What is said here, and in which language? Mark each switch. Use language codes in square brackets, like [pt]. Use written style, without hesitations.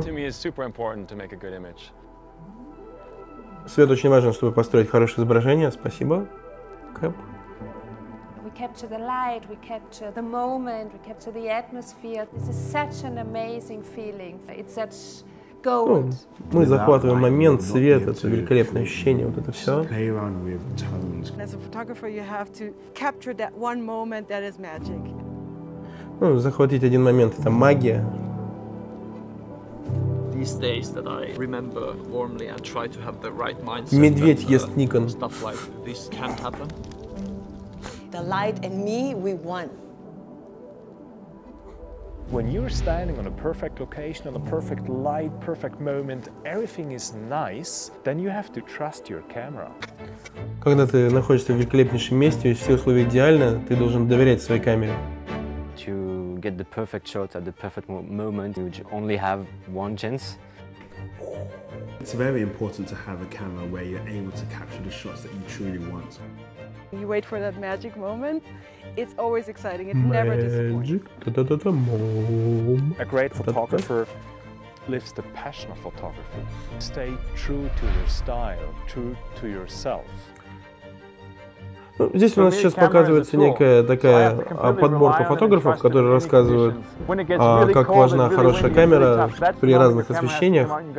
[ru] Свет очень важен, чтобы построить хорошее изображение. Спасибо. [en] We capture the light, we capture the moment, we capture the atmosphere. This is such an amazing feeling. It's such gold. [ru] Мы захватываем момент, свет, это великолепное ощущение, вот это все. [en] As a photographer, you have to capture that one moment that is magic. [ru] Ну, захватить один момент — это магия. [en] These days that I remember warmly and try to have the right mindset. [ru] Медведь ест Nikon. [en] Stuff like this can't happen. The light and me, we won. When you're standing on a perfect location, on a perfect light, perfect moment, everything is nice, then you have to trust your camera. [ru] Когда ты находишься в великолепнейшем месте, и все условия идеальны, ты должен доверять своей камере. [en] To get the perfect shot at the perfect moment, you only have one chance. It's very important to have a camera where you're able to capture the shots that you truly want. You wait for that magic moment. It's always exciting. It never disappoints. A great photographer lives the passion of photography. Stay true to your style, true to yourself. [ru] Ну, здесь у нас сейчас показывается некая такая подборка фотографов, которые рассказывают, как важна хорошая камера при разных освещениях.